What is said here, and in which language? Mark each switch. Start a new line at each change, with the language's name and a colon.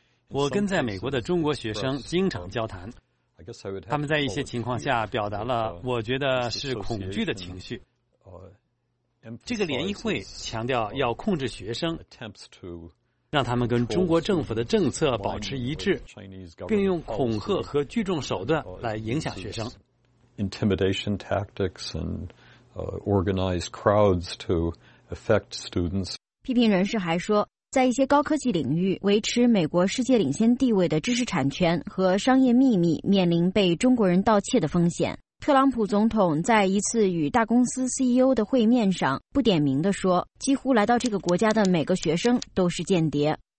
Chinese: 我跟在美国的中国学生经常交谈，他们在一些情况下表达了我觉得是恐惧的情绪。这个联谊会强调要控制学生，让他们跟中国政府的政策保持一致，并用恐吓和聚众手段来影响学生。
English: Intimidation tactics and organized crowds to affect students.
Chinese: 批评人士还说，在一些高科技领域维持美国世界领先地位的知识产权和商业秘密面临被中国人盗窃的风险。特朗普总统在一次与大公司 CEO 的会面上不点名地说，几乎来到这个国家的每个学生都是间谍。